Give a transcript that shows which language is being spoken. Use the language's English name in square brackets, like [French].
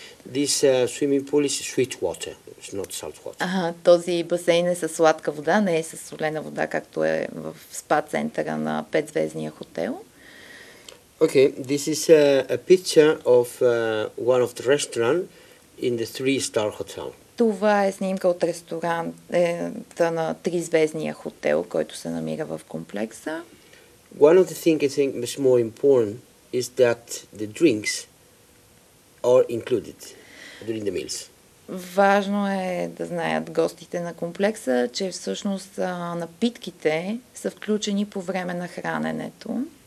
[English] This swimming pool is sweet water, it's not salt water. [Bulgarian] Този басейн е със сладка вода, не е със солена вода, както е в спа-центъра на 5-звездния хотел. [English] Okay, this is a picture of one of the restaurants in the 3-star hotel. [Bulgarian] Това е снимка от ресторанта на 3-звездния хотел, който се намира в комплекса. [English] One of the things I think is more important is that the drinks are included during the meals. [Bulgarian] Важно е да знаят гостите на комплекса, че всъщност напитките са включени по време на храненето.